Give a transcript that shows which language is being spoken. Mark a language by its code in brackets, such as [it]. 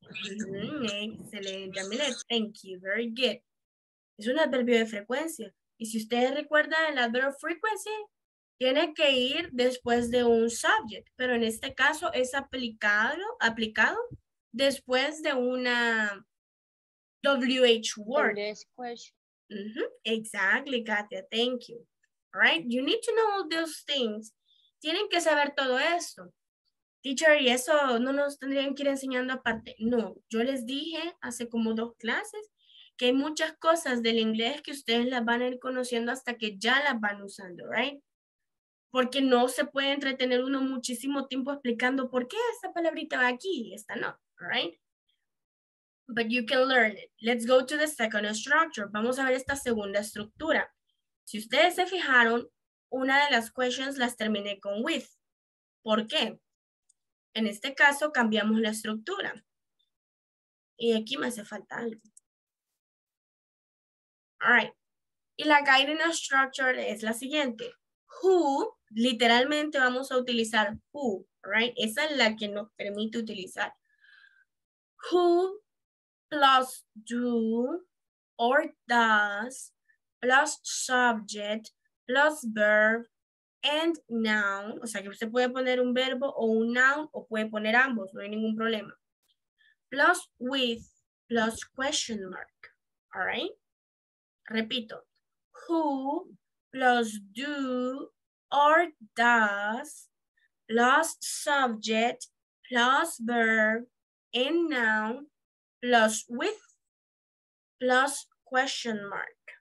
[en] Mm-hmm, [es] excelente, [en] Amile, thank you, very good. [es] Es un adverbio de frecuencia. Y si ustedes recuerdan el [en] adverb of frequency, [es] tiene que ir después de un subject, pero en este caso es aplicado después de una WH word. [en] The next question. Mm-hmm. Exactly, Katia, thank you. All right, you need to know all those things. [es] Tienen que saber todo esto. Teacher, ¿y eso no nos tendrían que ir enseñando aparte? No, yo les dije hace como dos clases que hay muchas cosas del inglés que ustedes las van a ir conociendo hasta que ya las van usando, right? Porque no se puede entretener uno muchísimo tiempo explicando por qué esta palabrita va aquí y esta no, right? [en] But you can learn it. Let's go to the second structure. [es] Vamos a ver esta segunda estructura. Si ustedes se fijaron, una de las questions las terminé con with. ¿Por qué? En este caso, cambiamos la estructura. Y aquí me hace falta algo. [en] All right. [es] Y la [en] guiding structure [es] es la siguiente. Who, literalmente vamos a utilizar who, right? Esa es la que nos permite utilizar. [en] Who plus do or does plus subject plus verb and noun. [es] O sea que usted puede poner un verbo o un noun o puede poner ambos, no hay ningún problema. [en] Plus with plus question mark, all right? Repito, who plus do or does plus subject plus verb and noun plus with plus question mark.